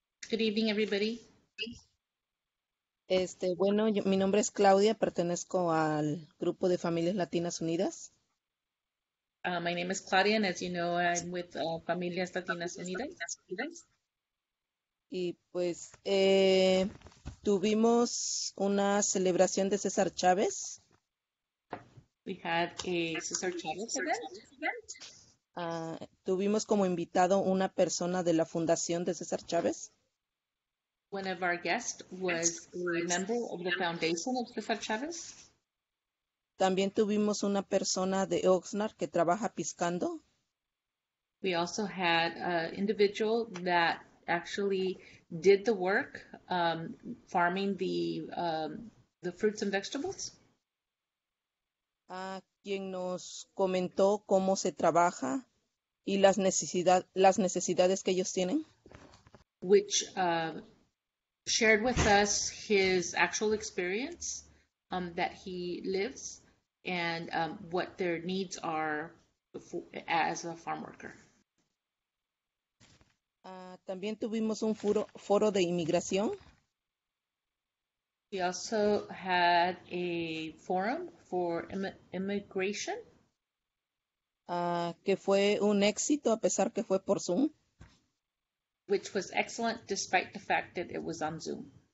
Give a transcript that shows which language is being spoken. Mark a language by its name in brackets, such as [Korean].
[English] Good evening, everybody. [Spanish] Bueno, mi nombre es Claudia. Pertenezco al grupo de Familias Latinas Unidas. [English] My name is Claudia, and as you know, I'm with Familias Latinas Unidas. [Spanish] Y pues tuvimos una celebración de César Chávez. [English] We had a César Chávez event. [Spanish] Tuvimos como invitado una persona de la Fundación de César Chávez. [English] One of our guests was a member of the Foundation of César Chávez. [Spanish] También tuvimos una persona de Oxnard que trabaja piscando. [English] We also had an individual that actually did the work farming the fruits and vegetables. [Spanish] Quien nos comentó cómo se trabaja y las necesidades que ellos tienen. [English] Which shared with us his actual experience that he lives and what their needs are as a farm worker. [Spanish] También tuvimos un foro de inmigración. [English] We also had a forum for immigration. [Spanish] Que fue un éxito a pesar que fue por Zoom. [English] Which was excellent despite the fact that it was on Zoom.